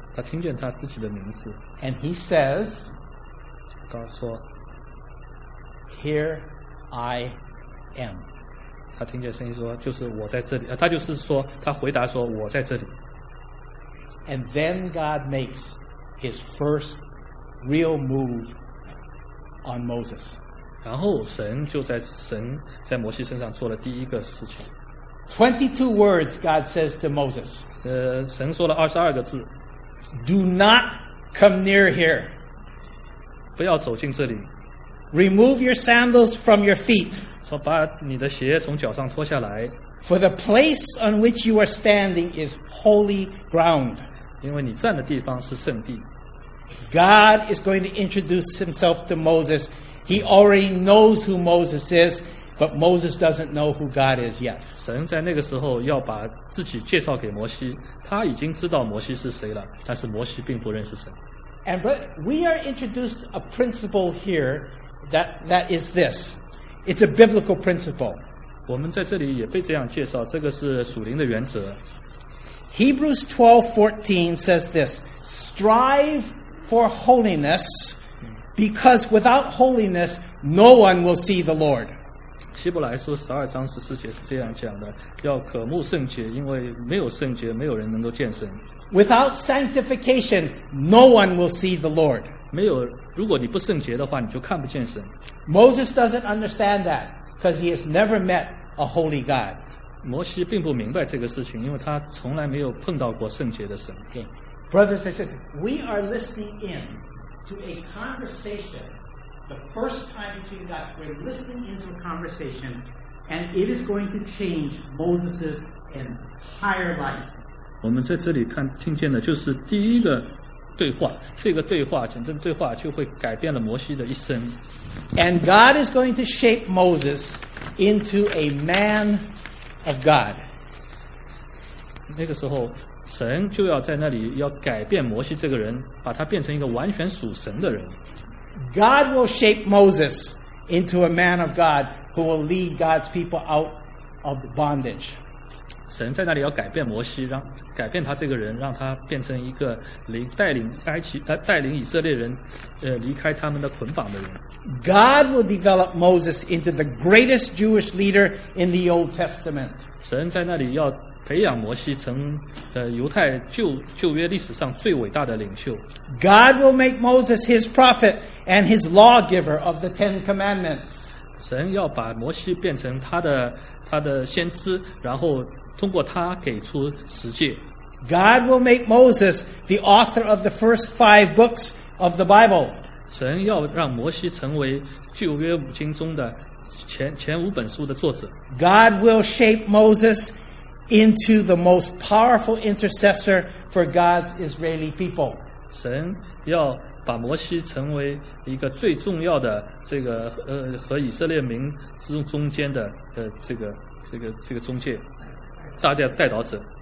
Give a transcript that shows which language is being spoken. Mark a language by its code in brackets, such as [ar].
[zh] 他听见他自己的名字。 [en] And he says, [zh] 告诉说 [en] Here I am. [zh] 他听见声音说就是我在这里。他就是说他回答说我在这里。 [en] And then God makes his first real move on Moses. [zh] 然后神就在摩西身上做了第一个事情。 [en] 22 words God says to Moses. [zh] 神说了22个字。 [en] Do not come near here. [zh] 不要走近这里。 [en] Remove your sandals from your feet. [zh] 说把你的鞋从脚上脱下来。 [en] For the place on which you are standing is holy ground. [zh] 因为你站的地方是圣地。 [en] God is going to introduce himself to Moses. He already knows who Moses is, but Moses doesn't know who God is yet. [zh] 神在那个时候要把自己介绍给摩西，他已经知道摩西是谁了，但是摩西并不认识神。 [en] And but we are introduced a principle here that is this. It's a biblical principle. [zh] 我们在这里也被这样介绍，这个是属灵的原则。 [en] Hebrews 12:14 says this, strive for holiness, because without holiness, no one will see the Lord. [zh] 希伯来书十二章十四节是这样讲的，要渴慕圣洁，因为没有圣洁，没有人能够见神。 [en] Without sanctification, no one will see the Lord. [zh] 没有，如果你不圣洁的话，你就看不见神。 [en] Moses doesn't understand that, because he has never met a holy God. [zh] 摩西并不明白这个事情，因为他从来没有碰到过圣洁的神。 [en] Okay. Brothers and sisters, we are listening in to a conversation, the first time between God. We're listening into a conversation, and it is going to change Moses' entire life. [zh] 我们在这里看听见的就是第一个对话，这个对话，简单对话就会改变了摩西的一生。 [en] And God is going to shape Moses into a man of God. [zh] 那个时候神就要在那里要改变摩西这个人，把他变成一个完全属神的人。 [en] God will shape Moses into a man of God who will lead God's people out of bondage. [zh] 神在那里要改变摩西，让改变他这个人，让他变成一个带领以色列人，离开他们的捆绑的人。 [en] God will develop Moses into the greatest Jewish leader in the Old Testament. [zh] 神在那里要培养摩西成犹太旧约历史上最伟大的领袖。 [en] God will make Moses his prophet and his lawgiver of the Ten Commandments. [zh] 神要把摩西变成他的先知，然后通过他给出十诫。 [en] God will make Moses the author of the first five books of the Bible. [zh] 神要让摩西成为旧约五经中的前五本书的作者。 [en] God will shape Moses into the most powerful intercessor for God's Israeli people. [zh] 神要把摩西成为一个最重要的这个和以色列民中间的这个中介，大家代导者。